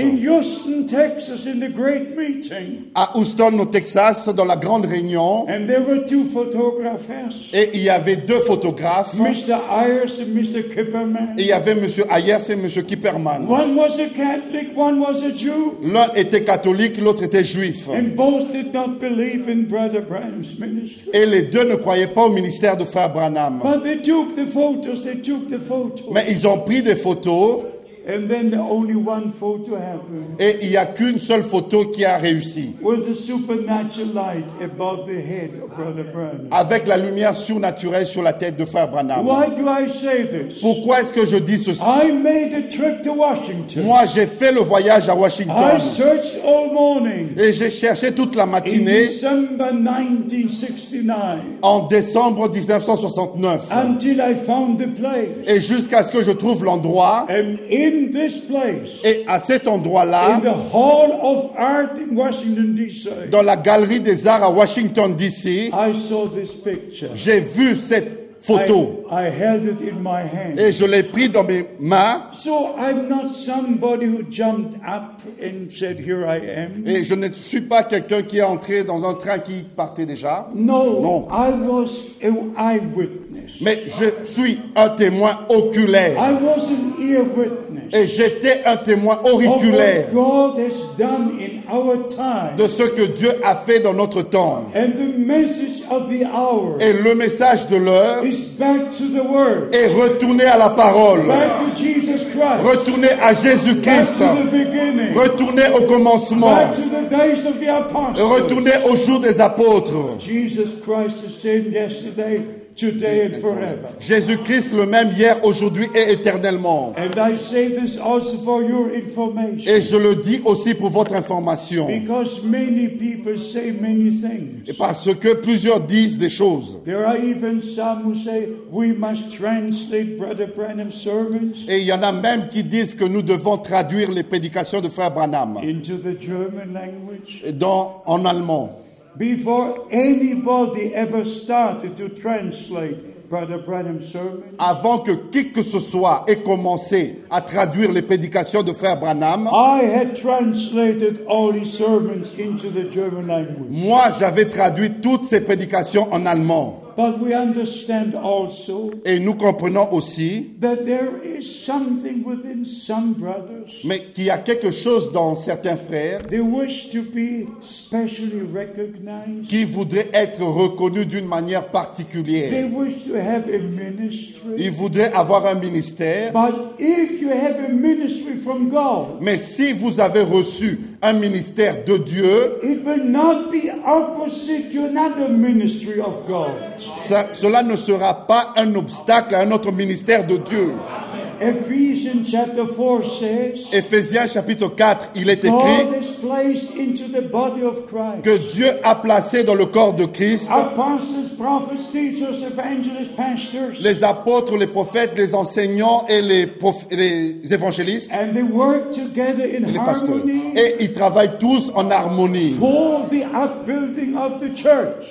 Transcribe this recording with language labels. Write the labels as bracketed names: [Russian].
[English] In Houston, Texas, in the great meeting. [French] À Houston, au Texas, dans la grande réunion. [English] And there were two photographers. [French] Et il y avait deux photographes. [English] Mr. Ayers and Mr. Kipperman. [French] Et il y avait Monsieur Ayers et Monsieur Kipperman. [English] One was a Catholic, one was a Jew. [French] L'un était catholique, l'autre était juif. [English] And both did not believe in Brother Branham's ministry. [French] Et les deux ne croyaient pas au ministère de Frère Branham. [English] But they took the photos. They took the photos. [French] Mais ils ont pris des photos. [English] And then the only one photo happened. [French] Et il n'y a qu'une seule photo qui a réussi. [English] With the supernatural light above the head of Brother Branham. [French] Avec la lumière surnaturelle sur la tête de Frère Branham. [English] Why do I say this? [French] Pourquoi est-ce que je dis ceci? [English] I made a trip to Washington. [French] Moi, j'ai fait le voyage à Washington. [English] I searched all morning. [French] Et j'ai cherché toute la matinée. [English] In December 1969. [French] En décembre 1969. [English] Until I found the place. [French] Et jusqu'à ce que je trouve l'endroit. [English] In this place, [French] et à cet endroit-là, [English] in the Hall of Art in Washington, D.C., [French] dans la galerie des arts à Washington, D.C., [English] I saw this picture. [French] J'ai vu cette photo. [English] I held it in my hand. [French] Et je l'ai pris dans mes mains. [English] So I'm not somebody who jumped up and said, "Here I am." [French] Et je ne suis pas quelqu'un qui est entré dans un train qui partait déjà. [English] No, [French] non. [English] I was an eyewitness. [French] Mais je suis un témoin oculaire. [English] I was an ear witness. [French] Et j'étais un témoin auriculaire. [English] Of what God has done in our time. [French] De ce que Dieu a fait dans notre temps. [English] And the message of the hour. [French] Et le message de l'heure. [English] Is back to the word. [French] Et retourner à la parole. [English] Back to Jesus Christ. [French] Retourner à Jésus-Christ. [English] Back to the beginning. [French] Retourner au commencement. [English] Back to the days of the apostles. [French] Retourner au jour des apôtres. [English] Jesus Christ the same yesterday, today and forever. [French] Jésus-Christ le même hier, aujourd'hui et éternellement. [English] And I say this also for your information. [French] Et je le dis aussi pour votre information. [English] Because many people say many things. [French] Et parce que plusieurs disent des choses. [English] There are even some who say we must translate Brother Branham's sermons. [French] Et il y en a même qui disent que nous devons traduire les prédications de Frère Branham. [English] Into the German language. [French] En allemand. [English] Before anybody ever started to translate Brother Branham's sermon, [French] avant que qui que ce soit ait commencé à traduire les prédications de Frère Branham, [English] I had translated all his sermons into the German language. [French] Moi, j'avais traduit toutes ses prédications en allemand. [English] But we understand also, [French] et nous comprenons aussi, [English] that there is something within some brothers, [French] mais qu'il y a quelque chose dans certains frères, [English] they wish to be specially recognized, [French] qui voudraient être reconnus d'une manière particulière. [English] They wish to have a ministry, [French] ils voudraient avoir un ministère, [English] but if you have a ministry from God, [French] mais si vous avez reçu un ministère de Dieu, [English] it will not be opposite to another ministry of God. [French] Ça, cela ne sera pas un obstacle à un autre ministère de Dieu. [English] Ephesians chapter 4 says, [French] Ephésiens chapitre 4, il est écrit [English] God is placed into the body of Christ. [French] Que Dieu a placé dans le corps de Christ [English] apostles, prophets, teachers, evangelists, pastors, [French] les apôtres, les prophètes, les enseignants et les évangélistes [English] and they work together in [French] et les pasteurs. [English] Harmony [French] et ils travaillent tous en harmonie [English] for the upbuilding of the church.